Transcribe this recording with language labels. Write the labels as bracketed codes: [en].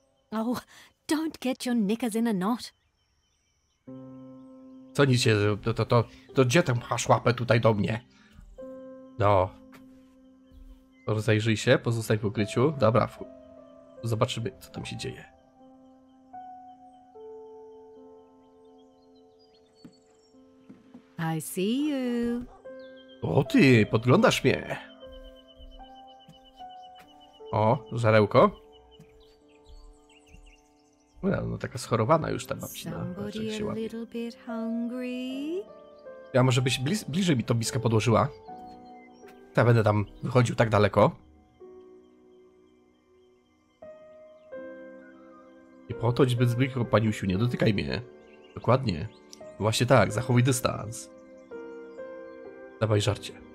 [en] Oh, don't get your knickers in a knot. [pl] Co nic się... To gdzie tam masz łapę tutaj do mnie? No. Rozejrzyj się, pozostań w ukryciu. Dobra, zobaczymy, co tam się dzieje. [en] I see you. [pl] O, ty, podglądasz mnie. O, żarełko. No, taka schorowana już ta babcina. [en] Somebody a little bit hungry. [pl] Ja może byś bliżej mi to miskę podłożyła. Ja będę tam wychodził tak daleko. Nie podchodź zbyt blisko, paniusiu, nie dotykaj mnie. Dokładnie. Właśnie tak, zachowuj dystans. Dawaj żarcie.